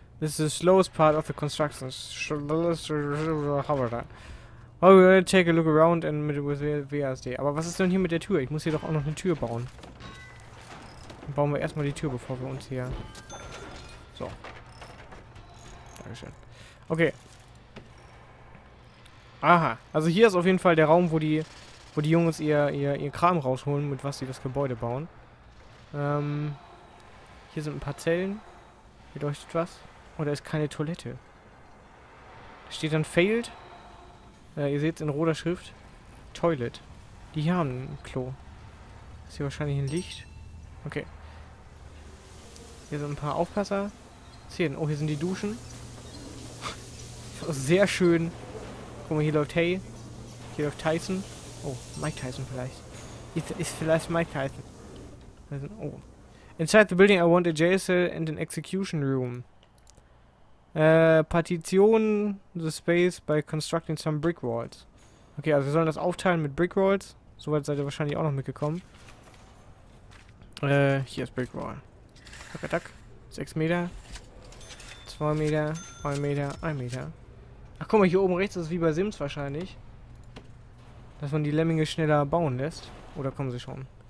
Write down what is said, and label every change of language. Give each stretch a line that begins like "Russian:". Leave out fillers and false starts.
English: This is the slowest part of the construction. How about that? Well, we're gonna take a look around and with VSD.
German: Aber was ist denn hier mit der Tür? Ich muss hier doch auch noch eine Tür bauen. Dann bauen wir erstmal die Tür, bevor wir uns hier. So. Dankeschön. Okay. Aha, also hier ist auf jeden Fall der Raum, wo die Jungs ihr Kram rausholen, mit was sie das Gebäude bauen. Hier sind ein paar Zellen. Hier leuchtet was. Oh, da ist keine Toilette. Da steht dann Failed. Ihr seht es in roter Schrift. Toilet. Die hier haben ein Klo. Ist hier wahrscheinlich ein Licht. Okay. Hier sind ein paar Aufpasser. Zehn. Oh, hier sind die Duschen. Sehr schön. Guck mal, hier läuft Hey. Hier läuft Tyson. Oh, Mike Tyson vielleicht. Ist vielleicht Mike Tyson. Oh.
English: Inside the building I want a jail cell and an execution room. Partition the space by constructing some brick walls.
German: Okay, also wir sollen das aufteilen mit Brick Walls. Soweit seid ihr wahrscheinlich auch noch mitgekommen. Hier ist Brick Wall. Tak, tak. 6 Meter. 2 Meter. 1 Meter. 1 Meter. Ach, guck mal, hier oben rechts ist es wie bei Sims wahrscheinlich. Dass man die Lemminge schneller bauen lässt. Oder kommen sie schon?